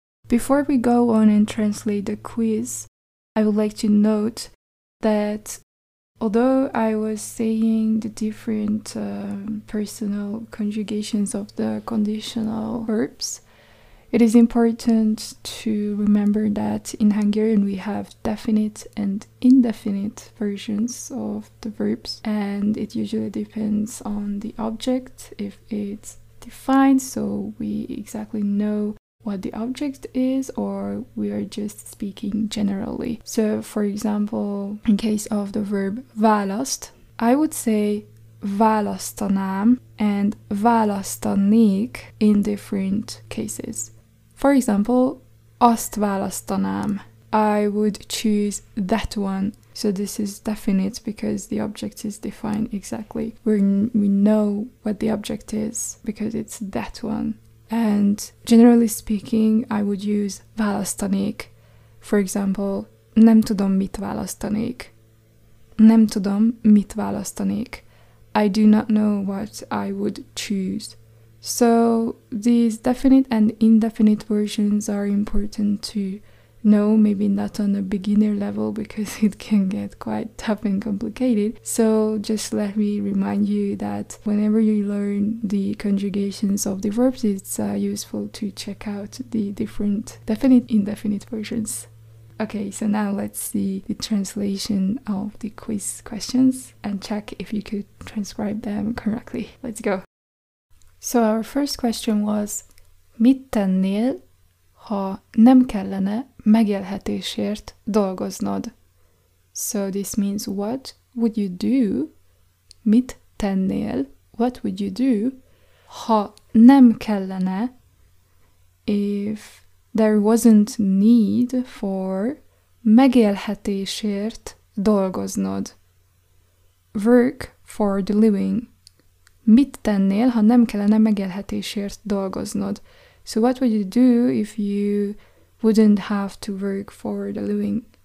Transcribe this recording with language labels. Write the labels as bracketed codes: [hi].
[en] Before we go on and translate the quiz, I would like to note that although I was saying the different personal conjugations of the conditional verbs, it is important to remember that in Hungarian we have definite and indefinite versions of the verbs, and it usually depends on the object. If it's defined, so we exactly know what the object is, or we are just speaking generally. So, for example, in case of the verb választ, I would say választanám and választanék in different cases. For example, [hu] azt választanám, [en] I would choose that one. So this is definite because the object is defined exactly. We know what the object is because it's that one. And generally speaking, I would use választanék. [hu] For example, nem tudom, mit választanék. Nem tudom, mit választanék. [en] I do not know what I would choose. So these definite and indefinite versions are important to know, maybe not on a beginner level because it can get quite tough and complicated. So just let me remind you that whenever you learn the conjugations of the verbs, it's useful to check out the different definite indefinite versions. Okay, so now let's see the translation of the quiz questions and check if you could transcribe them correctly. Let's go. So our first question was, [hu] mit tennél, ha nem kellene megélhetésért dolgoznod? [en] So this means, what would you do? [hu] Mit tennél? [en] What would you do? [hu] Ha nem kellene, [en] if there wasn't need for, [hu] megélhetésért dolgoznod. [en] Work for the living. [hu] Mit tennél, ha nem kellene megélhetésért dolgoznod? [en] So what would you do if you wouldn't have to work for the living?